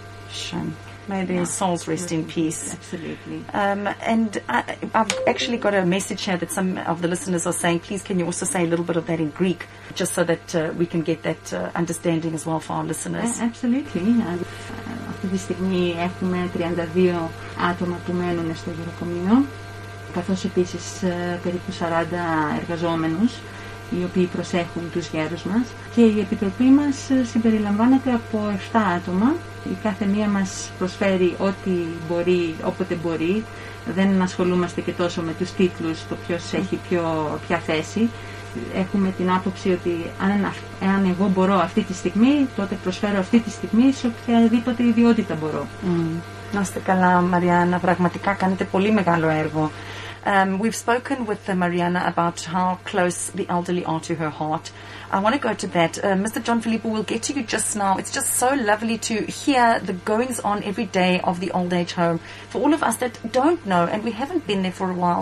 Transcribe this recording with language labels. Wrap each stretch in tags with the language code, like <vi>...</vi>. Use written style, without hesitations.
<en>Shame. May their souls rest in peace. Absolutely. And I've actually got a message here that some of the listeners are saying, please can you also say a little bit of that in Greek, just so that we can get that understanding as well for our listeners. Absolutely.</en> <el>Αυτή τη στιγμή έχουμε 32 άτομα που μένουν στο γεροκομείο. Καθώς επίσης περίπου 40 εργαζόμενους, οι οποίοι προσέχουν τους γέρους μας. Και η επιτροπή μας συμπεριλαμβάνεται από 7 άτομα. Η κάθε μία μας προσφέρει ό,τι μπορεί, όποτε μπορεί. Δεν ασχολούμαστε και τόσο με τους τίτλους, το ποιος έχει ποια θέση. Έχουμε την άποψη ότι αν εγώ μπορώ αυτή τη στιγμή, τότε προσφέρω αυτή τη στιγμή σε οποιαδήποτε ιδιότητα μπορώ. Να είστε καλά, Μαριάννα. Πραγματικά κάνετε πολύ μεγάλο έργο.</el> <en>We've spoken with Mariana about how close the elderly are to her heart. I want to go to that. Mr. John Filippo, we'll get to you just now. It's just so lovely to hear the goings on every day of the old age home for all of us that don't know and we haven't been there for a while.</en>